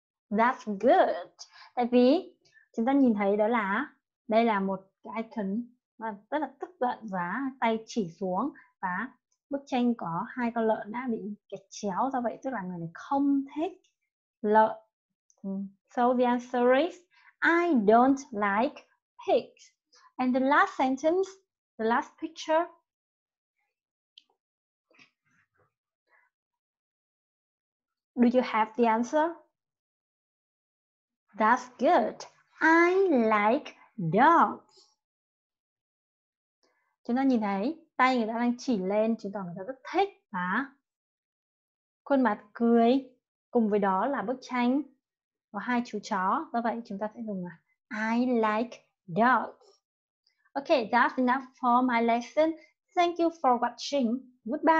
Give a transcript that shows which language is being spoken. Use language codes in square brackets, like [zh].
[en] That's good. [vi] Tại vì chúng ta nhìn thấy đó là đây là một cái icon rất là tức giận và tay chỉ xuống và bức tranh có hai con lợn đã bị kẹt chéo, do vậy tức là người này không thích lợn. [en] So the answer is I don't like pigs. And the last sentence, the last picture. Do you have the answer? That's good. I like dogs. [vi] Chúng ta nhìn thấy tay người ta đang chỉ lên, chúng ta rất thích và khuôn mặt cười. Cùng với đó là bức tranh có hai chú chó. Do vậy chúng ta sẽ dùng là [en] I like dogs. Okay, that's enough for my lesson. Thank you for watching. Goodbye.